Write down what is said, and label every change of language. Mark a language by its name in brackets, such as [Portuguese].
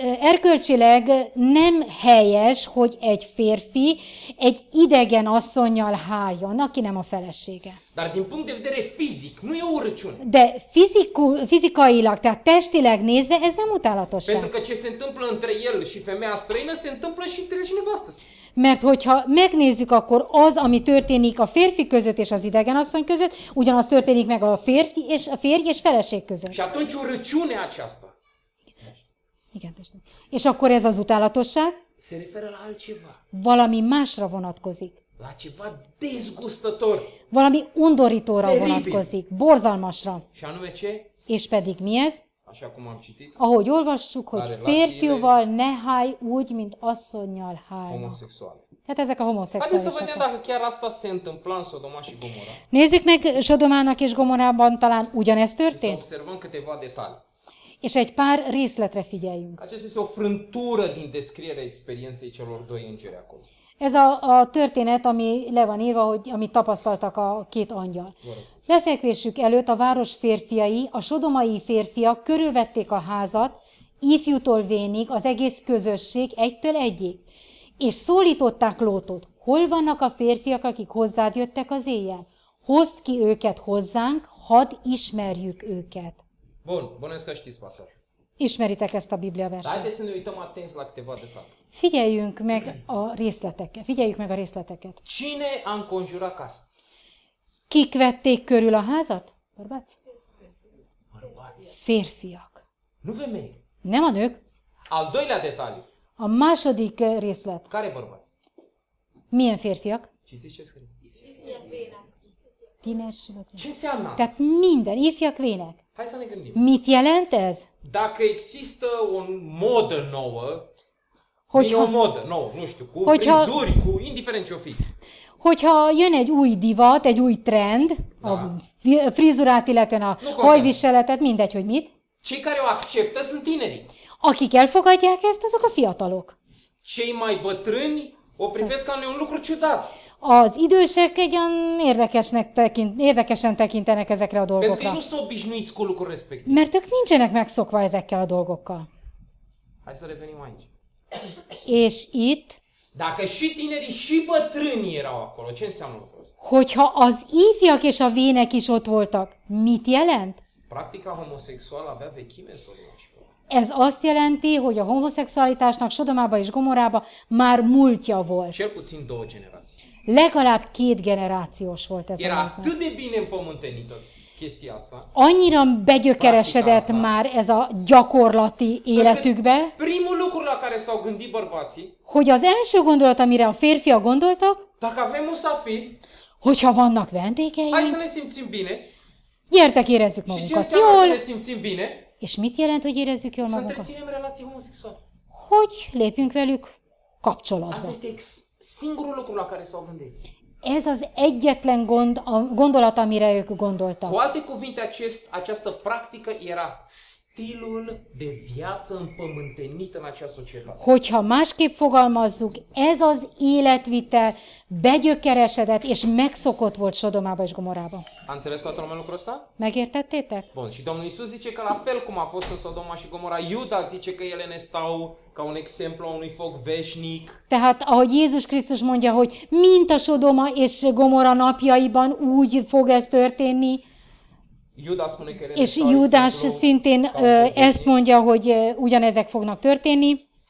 [Hungarian] Erkölcsileg nem helyes, hogy egy férfi egy idegen asszonnyal háljon, aki nem a felesége. [Romanian] Dar din punct de vedere fizic, nu e o urăciune. [Hungarian] De fizicailag, tehát testileg nézve, ez nem utálatosság. [Romanian] Pentru că ce se întâmplă între el și femeia străină, se întâmplă și între și nevastă. [Hungarian] Mert hogyha megnézzük, akkor az, ami történik a férfi között és az idegen asszony között, ugyanaz történik meg a férj és feleség között. [Romanian] Și atunci urăciune aceasta. [Hungarian] Igen, testem. És akkor ez az utálatosság? [Romanian] Se referă la altceva. [Hungarian] Valami másra vonatkozik. [Romanian] La ceva dezgustător. [Hungarian] Valami undorítóra Teribil. Vonatkozik, borzalmasra. [Romanian] Și anume ce? [Hungarian] És pedig mi ez? [Romanian] Așa cum am citit. [Hungarian] Ahogy olvassuk, hogy férfiúval ne háj úgy, mint asszonnyal hálnak. Homoszexuál. Tehát ezek a homoszexuálisok. Hát nézzük, hogy [Romanian] chiar asta se întâmpla în Sodoma și Gomorra. [Hungarian] Nézzük meg Sodomának és Gomorrában talán ugyanez történt. [Romanian] Să observăm câteva detalii. [Hungarian] És egy pár részletre figyeljünk. [Romanian] Aceasta este o frântură din descrierea experienței celor doi îngeri acolo. [Hungarian] Ez a történet, ami le van írva, hogy amit tapasztaltak a két angyal. Lefekvésük előtt a város férfiai, a sodomai férfiak körülvették a házat, ifjútól vénig az egész közösség egytől egyig, és szólították Lótot, hol vannak a férfiak, akik hozzád jöttek az éjjel? Hozd ki őket hozzánk, hadd ismerjük őket. [Romanian] Bun, bănuiesc că știți pasajul. [Hungarian] Ismeritek ezt a Biblia verset. [Romanian] Haideți să ne uităm atenți la câteva detalii. [Hungarian] Figyeljünk meg a részleteket. Figyeljük meg a részleteket. [Romanian] Cine a înconjurat casa? [Hungarian] Kik vették körül a házat? [Romanian] Bărbați? Bărbați. [Hungarian] Férfiak. [Romanian] Nu femei. [Hungarian] Nem a nők. [Romanian] Al doilea detaliu. [Hungarian] A második részlet. [Romanian] Care bărbați? [Hungarian] Milyen férfiak? [Romanian] Citiți ce scrie. [Hungarian] Tinerségek. [Romanian] Ce înseamnă? [Hungarian] Tehát minden, ifjak vének. [Romanian] Hai să ne gândim. [Hungarian] Mit jelent ez? [Romanian] Dacă există o modă nouă, [Hungarian] hogyha, [Romanian] e o modă nouă, nu știu, cu [Hungarian] hogyha, [Romanian] frizuri, cu indiferent ce o fi. [Hungarian] Hogyha jön egy új divat, egy új trend, [Romanian] da. [Hungarian] A frizurát, illetve a hajviseletet, mindegy, hogy mit. [Romanian] Cei care o acceptă sunt tineri. [Hungarian] Akik elfogadják ezt, azok a fiatalok. [Romanian] Cei mai bătrâni o privesc ca un lucru ciudat. [Hungarian] Az idősek egy olyan érdekesen tekintenek ezekre a dolgokra. [Romanian] Pentru că ei nu s-au obișnuit cu lucruri respective. [Hungarian] Mert ők nincsenek megszokva ezekkel a dolgokkal. [Romanian] Hai să revenim aici. [Hungarian] És itt... [Romanian] Dacă și tinerii și bătrânii erau acolo, ce înseamnă lucrul ăsta? [Hungarian] Hogyha az ifjak és a vének is ott voltak, mit jelent? [Romanian] Practica homosexuală avea vechime Sodoma. [Hungarian] Ez azt jelenti, hogy a homoszexualitásnak Sodomába és Gomorába már múltja volt. [Romanian] Cel puțin două generații. [Hungarian] Legalább két generációs volt ez. [Romanian] Era atât de bine împământenită chestia asta. [Hungarian] Annyira begyökeresedett már ez a gyakorlati életükbe. [Romanian] Primul lucru la care s-au gândit bărbații. [Hungarian] Hogy az első gondolat, amire a férfiak gondoltak. [Romanian] Dacă avem musafiri. [Hungarian] Hogyha vannak vendégeink. [Romanian] Hai să ne simțim bine. [Hungarian] Gyertek, érezzük magunkat jól. [Romanian] Și ce înseamnă să ne simțim bine? [Hungarian] És mit jelent, hogy érezzük jól magunkat? [Romanian] Să întreținem relații homosexuale. [Hungarian] Hogy lépjünk velük kapcsolatba. [Romanian] Asta este singurul lucru la care s-au gândit. [Hungarian] Ez az egyetlen gondolat, amire ők gondoltak. [Romanian] Cu alte cuvinte, această practică era stilul de viață împământenit în acea societate. [Hungarian] Hogyha másképp fogalmazzuk, ez az életvitel begyökeresedett és megszokott volt Sodomába és Gomorába. [Romanian] A înțeles toată lumea lucrul ăsta? [Hungarian] Megértettétek? [Romanian] Bun, și Domnul Iisus zice că la fel cum a fost în Sodoma și Gomora, Iuda zice că ele ne stau ca un exemplu a unui foc veșnic. [Hungarian] Tehát, ahogy Jézus Krisztus mondja, hogy mint a Sodoma és Gomora napjaiban úgy fog ez történni, és Júdás szintén ezt mondja, hogy ugyanezek fognak történni.